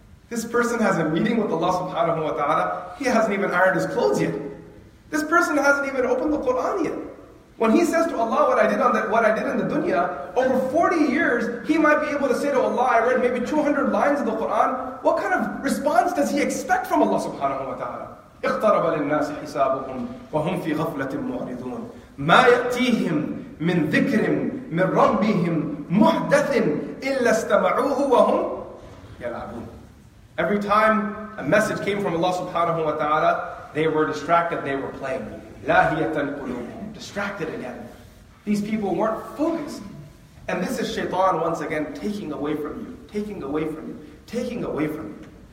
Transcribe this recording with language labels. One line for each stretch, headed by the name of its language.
English: This person has a meeting with Allah subhanahu wa ta'ala. He hasn't even ironed his clothes yet. This person hasn't even opened the Quran yet. When he says to Allah what I did in the dunya, over 40 years, he might be able to say to Allah, I read maybe 200 lines of the Quran. What kind of response does he expect from Allah subhanahu wa ta'ala?
Arabic: اقترب للناس حسابهم وهم في غفلة معرضون ما يأتيهم من ذكر من ربهم محدث إلا استمعوه وهم يلعبون.
English: Every time a message came from Allah subhanahu wa ta'ala, they were distracted, they were playing.
Arabic: لاهية قلوبهم.
English: Distracted again. These people weren't focused. And this is shaitan once again taking away from you, taking away from you, taking away from you.